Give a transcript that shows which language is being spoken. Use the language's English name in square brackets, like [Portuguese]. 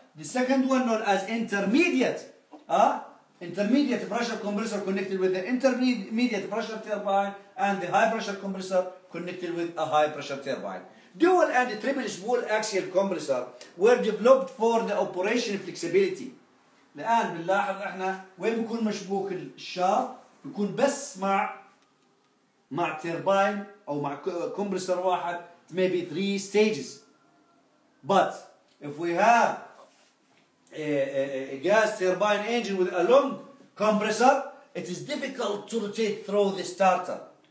[English] The second one known as intermediate pressure compressor connected with the intermediate pressure turbine, and the high pressure compressor connected with a high pressure turbine. Dual and triple spool axial compressor were developed for the operation flexibility. [Arabic] الآن بنلاحظ احنا وين بكون مشبوك الشاف؟ بكون بس مع تيرباين او مع كومبرسر واحد, [English] maybe three stages. But if we have a gas turbine engine with a long compressor, it is difficult to rotate through the starter.